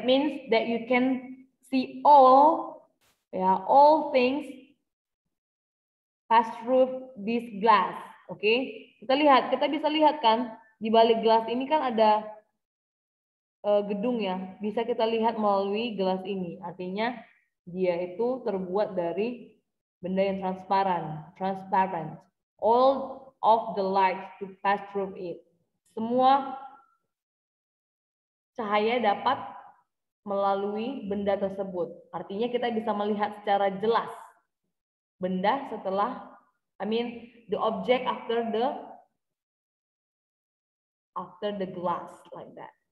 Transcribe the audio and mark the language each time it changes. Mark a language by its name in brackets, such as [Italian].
[English] It means that you can see all, yeah, all things pass through this glass. Okay? [Indonesian] Kita lihat, kita bisa lihat kan di balik gelas ini kan ada gedung ya. Bisa kita lihat melalui gelas ini. Artinya dia itu terbuat dari benda yang transparan. [English] Transparent. All of the light to pass through it. [Indonesian] Semua cahaya dapat melalui benda tersebut. Artinya kita bisa melihat secara jelas benda setelah, [English] the object after the glass, like that.